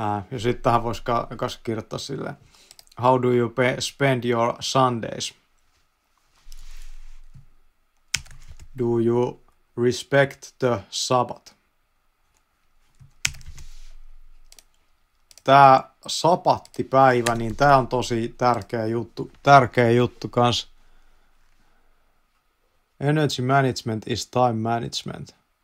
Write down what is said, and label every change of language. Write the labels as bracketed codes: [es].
[fi] Ja sitten tähän voisi kanssa kirjoittaa silleen. [en] How do you spend your Sundays? Do you respect the Sabbath? [fi] Tämä sapattipäivä, niin tämä on tosi tärkeä juttu kans. [en] Energy management is time management.